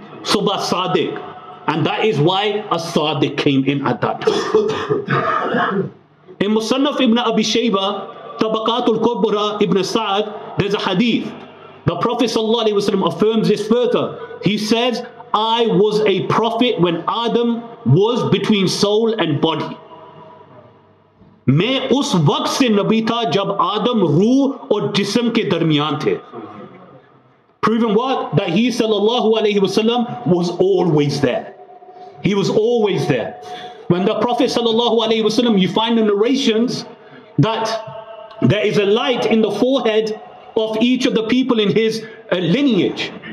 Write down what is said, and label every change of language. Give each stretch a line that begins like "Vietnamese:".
English: Subha sadiq. And that is why a sadiq came in at that time. In Musannaf ibn Abi Shayba, Tabaqatul Kubra ibn Sa'ad, there's a hadith. The Prophet sallallahu alayhi wa sallam affirms this further. He says, I was a prophet when Adam was between soul and body.
Urdu: میں اس وقت سے نبی تھا جب آدم روح اور جسم کے درمیان تھے۔
English: Proving what? That he sallallahu alayhi wasallam was always there. He was always there. When the Prophet sallallahu alayhi wasallam, you find the narrations that there is a light in the forehead of each of the people in his lineage.